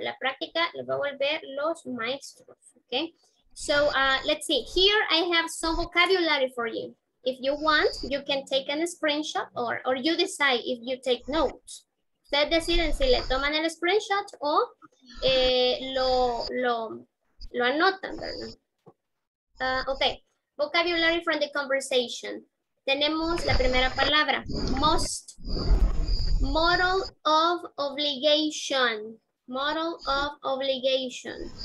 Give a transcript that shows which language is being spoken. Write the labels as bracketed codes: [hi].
[es] La práctica lo va a volver los maestros. [en] Okay? So let's see, here I have some vocabulary for you. If you want, you can take a screenshot or you decide if you take notes. [es] Ustedes deciden si le toman el screenshot o lo anotan, ¿verdad? [en] Okay, vocabulary from the conversation. [es] Tenemos la primera palabra, [en] must. Model of obligation. Model of obligation.